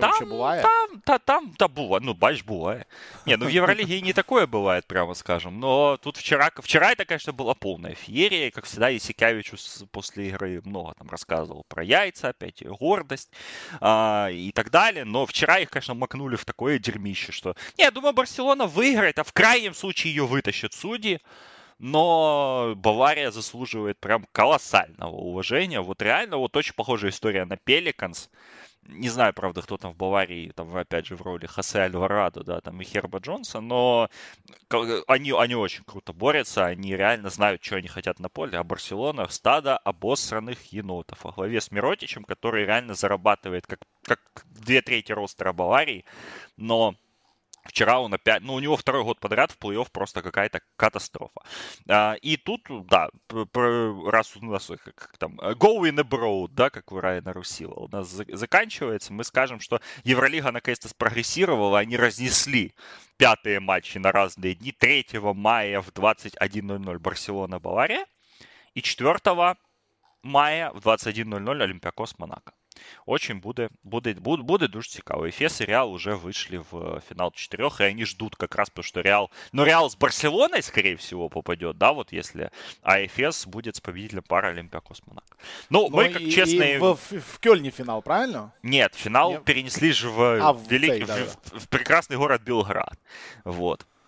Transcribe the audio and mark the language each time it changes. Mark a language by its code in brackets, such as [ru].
[uk] там, вообще буває. Там буває. Ну, бач, буває. Ні, ну в Євроліги не таке буває, [ru] прямо скажем. [uk] Но тут вчора це, конечно, була повна феєрія. Як завжди, Ісікявичу після ігри много там розказував про яйця, опять гордость і так далі. [ru] Но вчора їх, конечно, макнули в такое дерьмище, що... [uk] Ні, я думаю, Барселона виграє, а в крайньому случае її витащать судді. [ru] Но Баварія заслуживает прям колосального уваження. Вот реально, вот очень похожая история на Пеликанс. Не знаю, правда, кто там в Баварии, там, опять же, в роли Хосе Альварадо, да, там и Херба Джонса, но они очень круто борются, они реально знают, что они хотят на поле. А Барселона — стадо обосранных енотов. Во главе с Миротичем, который реально зарабатывает как две трети ростера Баварии, но... Вчера он опять... Ну, у него второй год подряд в плей-офф просто какая-то катастрофа. И тут, да, раз у нас как там... [en] Going abroad, [ru] да, как у Райана Русила, у нас заканчивается. Мы скажем, что Евролига наконец-то спрогрессировала, они разнесли пятые матчи на разные дни. 3 мая в 21:00 Барселона-Бавария. И 4 мая в 21:00 Олимпиакос-Монако. [uk] Очень будет дуже цікаво. [ru] Ефес и Реал уже вышли в финал четырех, и они ждут как раз, потому что Реал... Но Реал с Барселоной, скорее всего, попадет, да, вот если... А Ефес будет с победителем пары Олимпиакос Монако. Ну, мы как честные... В Кёльне финал, правильно? Нет, финал перенесли же в прекрасный город Белград. Вот.